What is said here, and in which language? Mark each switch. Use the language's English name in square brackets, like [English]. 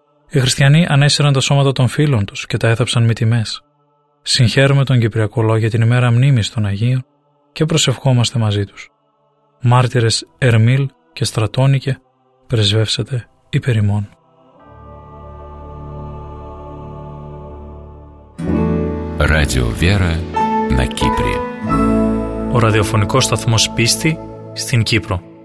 [Greek] Οι χριστιανοί ανέσυραν τα σώματα των φίλων τους και τα έθαψαν με τιμές. Συγχαίρουμε τον Κυπριακό λόγο για την ημέρα μνήμης των Αγίων και προσευχόμαστε μαζί τους. Μάρτυρες Ερμίλ και Στρατόνικε, πρεσβεύσατε υπέρ ημών. [Russian] Ράδιο Βέρα, на Кипре. [Greek] Ο ραδιοφωνικός σταθμός πίστη στην Κύπρο.